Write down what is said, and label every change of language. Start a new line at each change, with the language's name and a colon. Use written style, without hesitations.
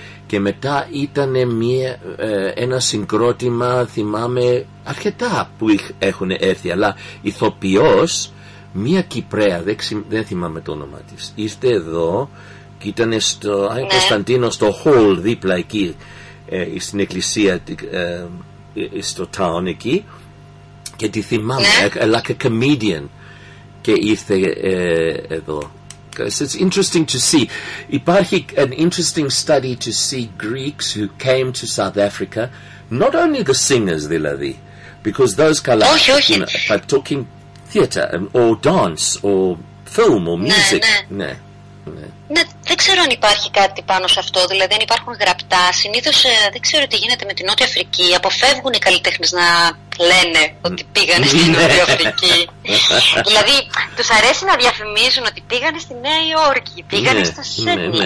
Greek: Και μετά ήταν ένα συγκρότημα, θυμάμαι, αρκετά που έχουν έρθει, αλλά ηθοποιός, μία Κυπρέα, δεν θυμάμαι το όνομα της, ήρθε εδώ και ήταν στο Κωνσταντίνο, στο Hall, δίπλα εκεί, στην εκκλησία στο town εκεί και τη θυμάμαι
English: like a comedian
Greek: και ήρθε εδώ.
English: It's interesting to see.
Greek: Υπάρχει
English: an interesting study to see Greeks who came to South Africa, not only the singers δηλαδή, because those καλά, but talking theater or dance or film or music.
Greek: Ναι, δεν ξέρω αν υπάρχει κάτι πάνω σε αυτό, δηλαδή αν υπάρχουν γραπτά. Συνήθως δεν ξέρω τι γίνεται με την Νότια Αφρική. Αποφεύγουν οι καλλιτέχνες να λένε ότι πήγανε στη Νότια Αφρική. Δηλαδή τους αρέσει να διαφημίζουν ότι πήγανε στη Νέα Υόρκη, πήγανε στο Σέντι.